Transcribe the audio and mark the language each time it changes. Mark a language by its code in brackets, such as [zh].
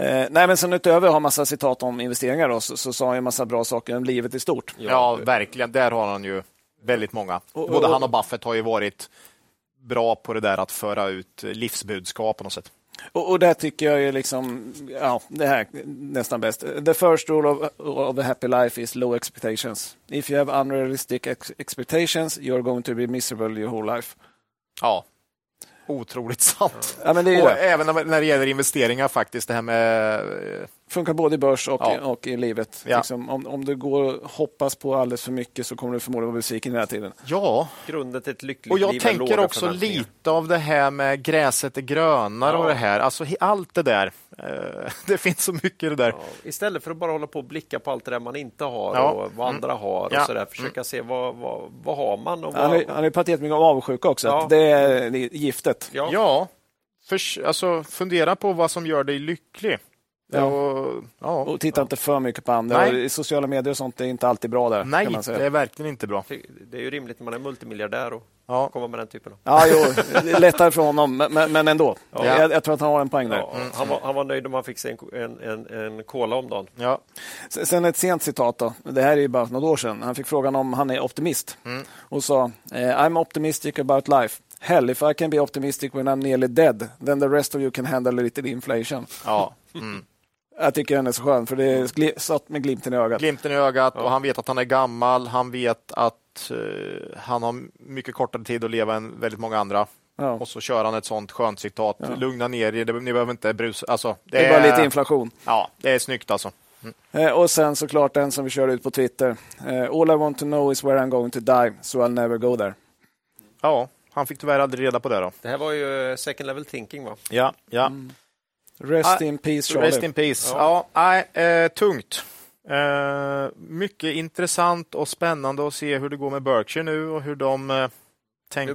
[sv] Nej, men sen utöver har massa citat om investeringar då, så sa han ju massa bra saker om livet i stort. Ja, verkligen. Där har han ju väldigt många. Både han och Buffett har ju varit bra på det där att föra ut livsbudskap på något sätt. Och det tycker jag är liksom, ja, det här nästan bäst. [en] The first rule of a happy life is low expectations. If you have unrealistic expectations, you're going to be miserable your whole life. [sv] Ja. Otroligt sant. Ja, men det är det. Även när det gäller investeringar faktiskt. Det här med... funkar både i börs och i livet. Ja. Liksom, om du går hoppas på alldeles för mycket så kommer du förmodligen vara besviken hela tiden. Ja. Grunden till ett lyckligt och jag liv tänker också lite av det här med gräset är grönare och det här. Alltså allt det där. Det finns så mycket det där. Ja. Istället för att bara hålla på och blicka på allt det där man inte har och vad andra har. Och sådär. Försöka se vad har man. Och vad... Han har ju pratat jättemycket om avundsjuka också. Ja. Att det är giftet. Ja. Alltså, fundera på vad som gör dig lycklig. Och titta inte för mycket på andra. I sociala medier och sånt är inte alltid bra där. Nej, kan man säga. Det är verkligen inte bra. Det är ju rimligt när man är multimiljardär och kommer med den typen av. Ja, jo, lättare för honom, men ändå. Ja. Jag tror att han har en poäng där. Han var nöjd om han fick sig en cola om dagen. Ja. Sen ett sent citat då. Det här är ju bara några år sedan. Han fick frågan om han är optimist. Mm. Och sa, [en] I'm optimistic about life. Hell, if I can be optimistic when I'm nearly dead, then the rest of you can handle a little inflation. [sv] Ja. Mm. Jag tycker den är så skön, för det är satt med glimten i ögat. Glimten i ögat, och han vet att han är gammal. Han vet att han har mycket kortare tid att leva än väldigt många andra. Ja. Och så kör han ett sånt skönt citat. Ja. Lugna ner er, ni behöver inte brusa. Alltså, det är bara lite inflation. Ja, det är snyggt alltså. Mm. Och sen såklart den som vi kör ut på Twitter. [en] All I want to know is where I'm going to die, so I'll never go there. [sv] Ja, han fick tyvärr aldrig reda på det då. Det här var ju second level thinking, va? Ja, ja. Mm. [en] Rest in peace, Charlie. Rest in peace. [sv] Ja. Tungt. Mycket intressant och spännande att se hur det går med Berkshire nu och hur de tänker.